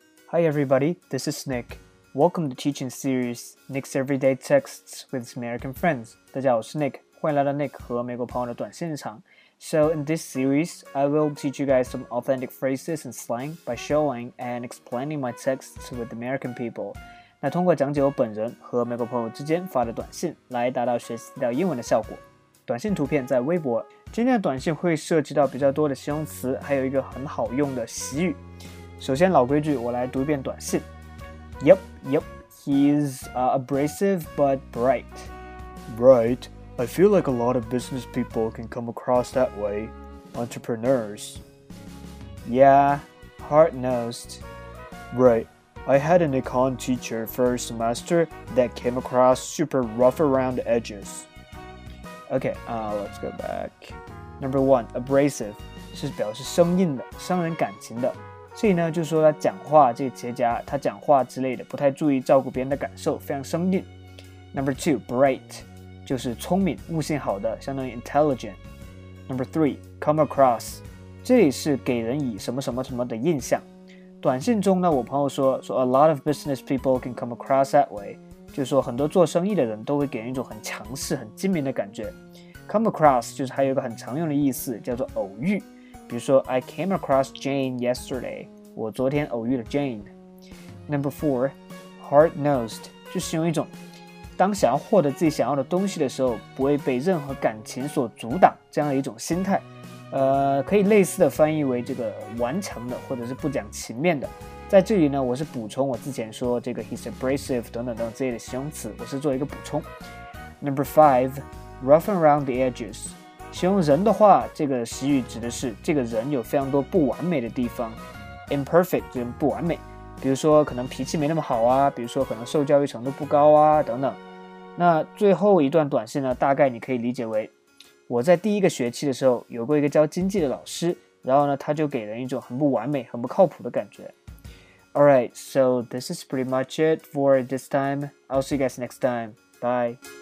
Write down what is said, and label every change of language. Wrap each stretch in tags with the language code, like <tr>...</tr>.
<en>Hi everybody, this is Nick. Welcome to teaching series Nick's Everyday Texts with American Friends.</en> <zh>大家好，我是 Nick， 欢迎来到 Nick 和美国朋友的短信日常。</zh> <en>So in this series, I will teach you guys some authentic phrases and slang by showing and explaining my texts with American people.</en> <zh>那通过讲解我本人和美国朋友之间发的短信来达到学习到英文的效果。短信图片在微博。今天的短信会涉及到比较多的形容词，还有一个很好用的习语。首先老规矩，我来读一遍短信。</zh> <en>Yep, yep, he's abrasive but bright. Right, I feel like a lot of business people can come across that way. Entrepreneurs. Yeah, hard-nosed. Right, I had an econ teacher first semester that came across super rough around the edges. Okay, let's go back. Number one,</en> <zh>abrasive 是表示生硬的，伤人感情的。所以呢，就是说他讲话，这个企业家他讲话之类的，不太注意照顾别人的感受，非常生硬。</zh> <en>Number two,</en> <zh>bright, 就是聪明，悟性好的，相当于 intelligent.</zh> <en>Number three,</en> <zh>come across, 这里是给人以什么什么什么的印象。短信中呢，我朋友说</zh> <en>a lot of business people can come across that way,</en> <zh>就是说很多做生意的人都会给人一种很强势、很精明的感觉。 Come across 就是还有一个很常用的意思，叫做偶遇。比如说</zh> <en>I came across Jane yesterday,</en> <zh>我昨天偶遇了 Jane.</zh> <en>Number four,</en> <zh>hard-nosed, 就形容一种当想要获得自己想要的东西的时候不会被任何感情所阻挡这样的一种心态。可以类似的翻译为这个顽强的或者是不讲情面的。在这里呢，我是补充我之前说这个 he's abrasive 等等等这些的形容词，我是做一个补充。</zh> <en>Number five, rough around the edges,</en> <zh>形容人的话，这个习语指的是这个人有非常多不完美的地方 ，imperfect 就是不完美。比如说可能脾气没那么好啊，比如说可能受教育程度不高啊等等。那最后一段短信呢，大概你可以理解为，我在第一个学期的时候有过一个教经济的老师，然后呢他就给人一种很不完美、很不靠谱的感觉。</zh> <en>All right, so this is pretty much it for this time. I'll see you guys next time. Bye.</en>